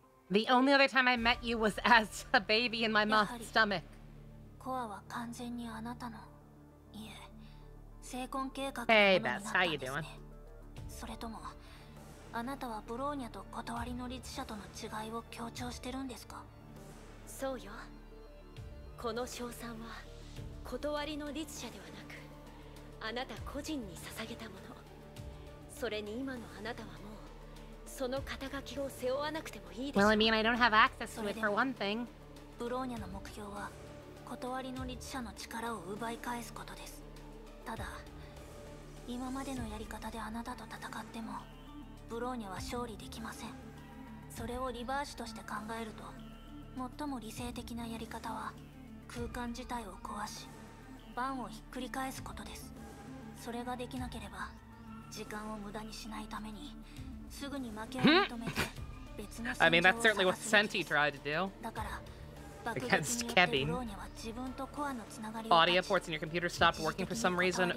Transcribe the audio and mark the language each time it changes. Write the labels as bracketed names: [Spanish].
[English] The only other time I met you was as a baby in my mom's stomach. [Japanese] コアは完全にあなたの、いえ、成婚計画のものだったんですね。それともあなたはブローニャと断りの律者との違いを強調してるんですか？そうよ。この賞賛は断りの律者ではなく、あなた個人に捧げたもの。それに今のあなたはもうその肩書きを背負わなくてもいいでしょう。 [English] Well, I mean, I don't have access to it for one thing. [Japanese] ブローニャの目標は断りの律者の力を奪い返すことです。ただ、今までのやり方であなたと戦ってもブローニャは勝利できません。それをリバーシュとして考えると、 最も理性的なやり方は空間自体を壊し、盤をひっくり返すことです。それができなければ、時間を無駄にしないために、すぐに負けを認めて別の戦場を探すんです。 [English] I mean, that's certainly what Senti tried to do. Against Kevin. Audio ports in your computer stopped working for some reason.